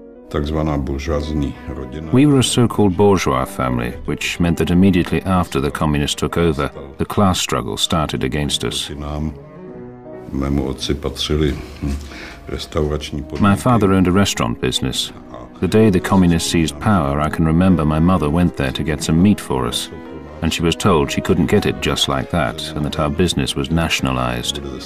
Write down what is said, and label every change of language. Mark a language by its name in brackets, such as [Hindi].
[Czech] takzvaná buržoazní rodina. [English] We were a so-called bourgeois family, which meant that immediately after the communists took over, the class struggle started against us. [Czech] Mému otci patřili restaurační podniky. [English] My father owned a restaurant business. The day the communists seized power, I can remember my mother went there to get some meat for us. And she was told she couldn't get it just like that, and that our business was nationalized.